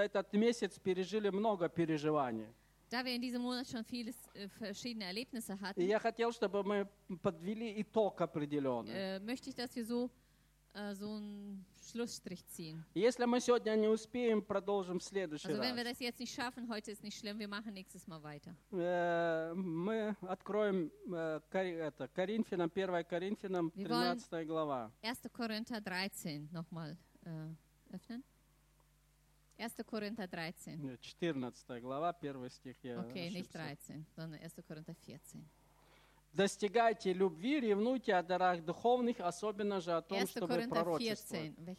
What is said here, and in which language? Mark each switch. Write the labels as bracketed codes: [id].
[ru] этот месяц пережили много переживаний. [de] Da wir in diesem Monat schon viele verschiedene Erlebnisse hatten, [ru] я хотел, чтобы мы подвели итог определенный. [de] Möchte ich, dass wir so so einen Schlussstrich ziehen. [ru] Если мы сегодня не успеем, продолжим в следующий раз. [de] wenn wir das jetzt nicht schaffen, heute ist nicht schlimm, wir machen nächstes Mal weiter. [ru] Мы откроем Коринфянам, 1 Коринфянам, 13 глава. 1. [de] Коринфянам 13 nochmal öffnen. [ru] 1. Коринфянам 13. 14 глава, 1 стих. Okay, ошибся. [de] Nicht 13, sondern 1. Коринфянам 14. [ru] Достигайте любви, ревнуйте о дарах духовных, особенно же о том, чтобы пророчествовать.